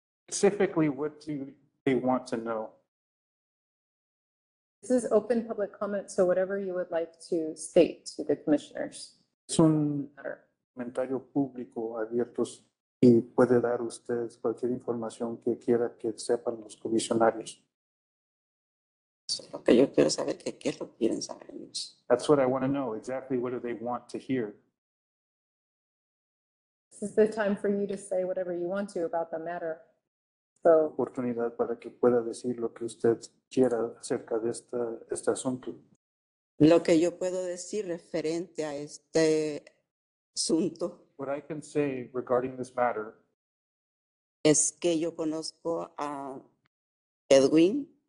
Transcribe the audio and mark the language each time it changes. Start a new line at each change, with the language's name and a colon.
English: Specifically, what do they want to know? This is open public comment, so whatever you would like to state to the commissioners.
Spanish: Es un comentario público abierto y puede dar ustedes cualquier información que quiera que sepan los comisionarios. Lo que yo quiero saber es qué lo quieren saber ellos.
English: That's what I want to know, exactly what do they want to hear. This is the time for you to say whatever you want to about the matter. So.
Spanish: Oportunidad para que pueda decir lo que usted quiera acerca de este asunto. Lo que yo puedo decir referente a este asunto.
English: What I can say regarding this matter.
Spanish: Es que yo conozco a Edwin.